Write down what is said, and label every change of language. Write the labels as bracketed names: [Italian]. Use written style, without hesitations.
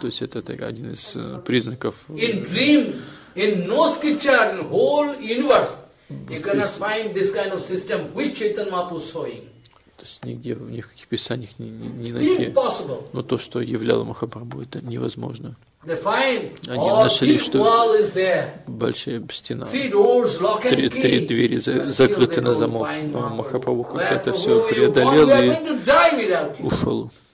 [Russian] То есть это так, один из признаков. [English] In dream, in no scripture, in whole universe, you cannot find this kind of system which Chaitanya Mahaprabhu is showing. [Russian] То есть нигде, ни в каких писаниях не найти. [English] Impossible. [Russian] Но то, что являло Махапрабху, это невозможно. [English] They find [Russian] они нашли, что [English] wall is there. [Russian] Большая стена, [English] three doors, lock and [Russian] три, [English] key. [Russian] Три двери закрыты на замок, но Махапрабху как это все преодолел и ушел.